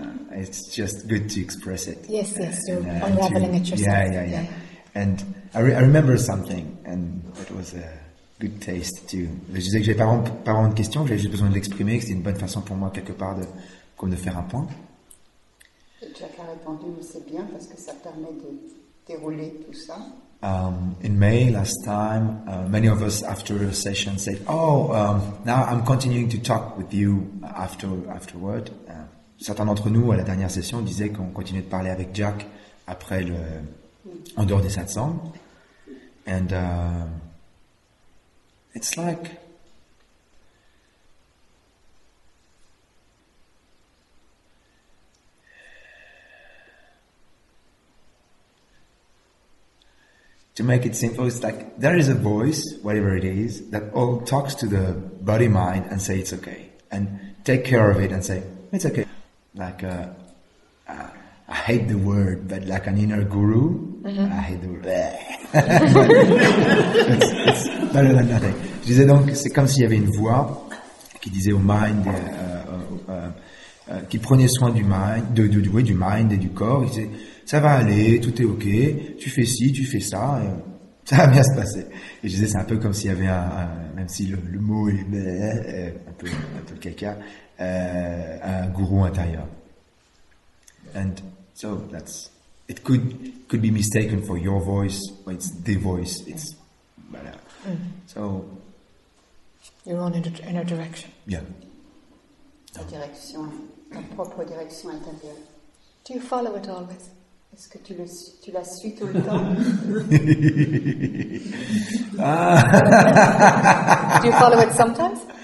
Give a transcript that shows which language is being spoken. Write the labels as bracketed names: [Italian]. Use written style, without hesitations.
[English] It's just good to express it. Yes, yes, unraveling it yourself. Yeah. And I remember something, and it was a good taste too. [French] Je disais que j'avais pas vraiment de questions, que j'avais juste besoin de l'exprimer, que c'était une bonne façon pour moi quelque part de comme de faire un point. Jack a répondu, mais c'est bien parce que ça permet de dérouler tout ça. [English] In May last time, many of us after a session said, "Oh, now I'm continuing to talk with you afterward." [French] Certains d'entre nous à la dernière session disaient qu'on continuait de parler avec Jack après le en dehors des satsangs. [English] And it's like to make it simple, it's like there is a voice, whatever it is, that all talks to the body mind and say it's okay, and take care of it and say it's okay. Like I hate the word, but like an inner guru, I hate the word. it's better than nothing. [French] Je disais donc, c'est comme s'il y avait une voix qui disait au mind, qui prenait soin du mind, du mind et du corps. Il disait, ça va aller, tout est ok, tu fais ci, tu fais ça, et ça va bien se passer. Et je disais, c'est un peu comme s'il y avait même si le mot est un peu caca, un gourou intérieur. [English] And so, that's, it could be mistaken for your voice, but it's the voice, it's, voilà. So, you're on in a direction. Yeah. [French] Ta direction, ta propre direction intérieure. [English] Do you follow it always? [French] Est-ce que tu la suis tout le temps? [English] Do you follow it sometimes?